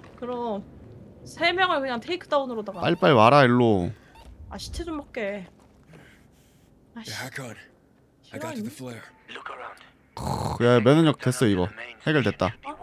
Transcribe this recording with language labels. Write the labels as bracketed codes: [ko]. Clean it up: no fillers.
[ko] 그럼 세 명을 그냥 테이크 다운으로다가. 빨리 와라 일로. 아 시체 좀 먹게. 아씨. [en] Yeah, I got it. I got to the flare. Look around. [ko] 야 면역력 됐어 이거 해결됐다.